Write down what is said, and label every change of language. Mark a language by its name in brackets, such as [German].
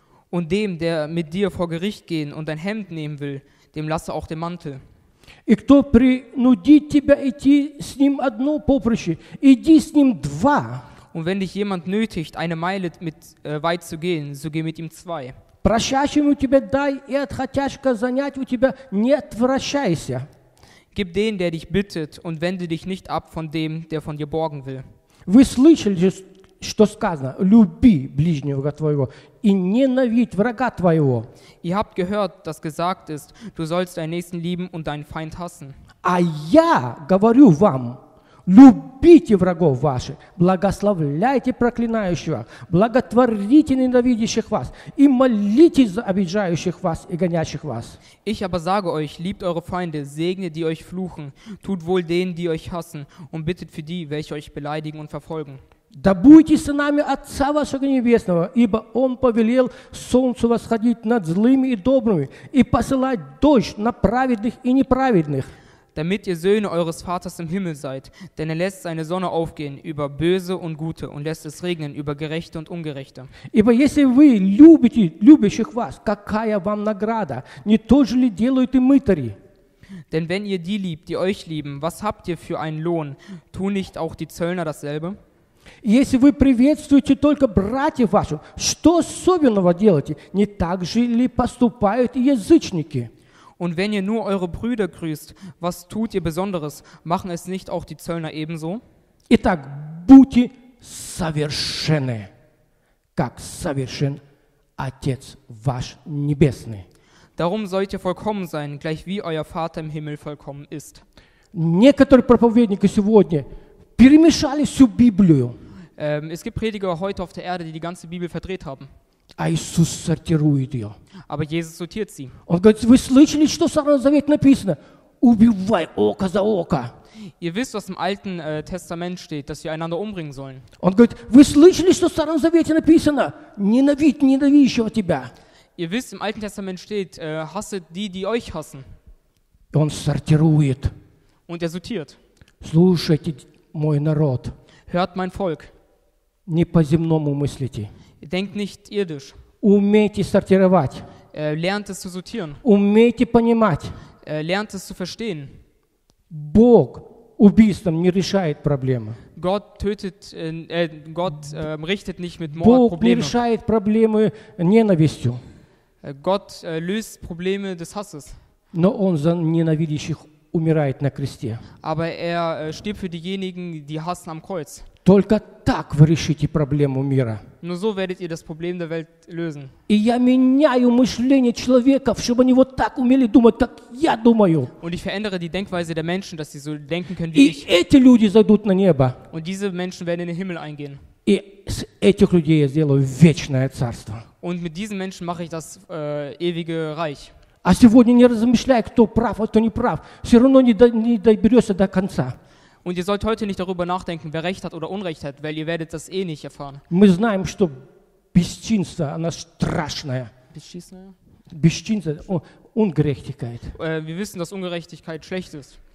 [German] Und dem, der mit dir vor Gericht gehen und dein Hemd nehmen will, dem lasse auch den Mantel. [Russian] И кто принудит тебя идти с ним одно поприще, иди с ним два. [German] Und wenn dich jemand nötigt, eine Meile mit, weit zu gehen, so geh mit ihm zwei. [Russian] Прощающему тебе дай, и от хотящего занять у тебя не отвращайся. [German] Gib den, der dich bittet, und wende dich nicht ab von dem, der von dir borgen will. [Russian] Вы слышали, что сказано? Люби ближнего твоего и ненавидь врага твоего. [German] Ihr habt gehört, dass gesagt ist, du sollst deinen Nächsten lieben und deinen Feind hassen. [Russian] А я говорю вам, любите врагов ваших, благословляйте проклинающих вас, благотворите ненавидящих вас и молитесь за обижающих вас и гонящих вас. [German] Ich aber sage euch, liebt eure Feinde, segnet die euch fluchen, tut wohl denen, die euch hassen, und bittet für die, welche euch beleidigen und verfolgen. [Russian] Да будьте сынами Отца вашего Небесного, ибо Он повелел солнцу восходить над злыми и добрыми и посылать дождь на праведных и неправедных. [German] Damit ihr Söhne eures Vaters im Himmel seid, denn er lässt seine Sonne aufgehen über Böse und Gute und lässt es regnen über Gerechte und Ungerechte. [Russian] Ибо если вы любите любящих вас, какая вам награда? Не то же ли делают и мытари? [German] Denn wenn ihr die liebt, die euch lieben, was habt ihr für einen Lohn? Tun nicht auch die Zöllner dasselbe? [Russian] Если вы приветствуете только братьев ваших, что особенного делаете? Не так же ли поступают и язычники? [German] Und wenn ihr nur eure Brüder grüßt, was tut ihr Besonderes? Machen es nicht auch die Zöllner ebenso? [Russian] Итак, будьте совершенны, как совершен Отец ваш Небесный. [German] Darum sollt ihr vollkommen sein, gleich wie euer Vater im Himmel vollkommen ist. [Russian] Некоторые проповедники сегодня перемешали всю Библию. [German] Es gibt Prediger heute auf der Erde, die ganze Bibel verdreht haben. [Russian] А Иисус сортирует ее. [German] Aber Jesus sortiert sie. [Russian] Он говорит, вы слышали, что в Старом Завете написано? Убивай око за око. [German] Ihr wisst, was im Alten Testament steht, dass wir einander umbringen sollen. [Russian] Он говорит, вы слышали, что в Старом Завете написано? Ненавидь ненавидящего тебя. [German] Ihr wisst, im Alten Testament steht, hasset die, die euch hassen. [Russian] Он сортирует. [German] Und er sortiert. [Russian] Слушайте, мой народ. [German] Hört mein Volk. [Russian] Не по земному мыслите. [German] Denkt nicht irdisch. [Russian] Умейте сортировать. [German] Lernt es zu sortieren. [Russian] Умейте понимать. [German] Lernt es zu verstehen. [Russian] Бог убийством не решает проблемы. [German] Gott tötet, Gott richtet nicht mit Mord Бог Probleme. [Russian] Бог не решает проблемы ненавистью. [German] Gott löst Probleme des Hasses. [Russian] Но Он за ненавидящих умирает на кресте. [German] Aber er stirbt für diejenigen, die hassen am Kreuz. [Russian] Только так вы решите проблему мира. [German] Nur so werdet ihr das Problem der Welt lösen. [Russian] И я меняю мышление человека, чтобы они вот так умели думать, как я думаю. [German] Und ich verändere die Denkweise der Menschen, dass sie so denken können, wie ich. [Russian] И эти люди зайдут на небо. [German] Und diese Menschen werden in den Himmel eingehen. [Russian] И с этих людей я сделаю вечное царство. [German] Und mit diesen Menschen mache ich das ewige Reich. [Russian] А сегодня не размышляй, кто прав, а кто не прав. Все равно не доберешься до конца. [German] Und ihr sollt heute nicht darüber nachdenken, wer Recht hat oder Unrecht hat, weil ihr werdet das eh nicht erfahren. [Russian] Мы знаем, что бесчинство, оно страшное. Бесчинство, Ungerechtigkeit. [German] Wir wissen, dass Ungerechtigkeit schlecht ist.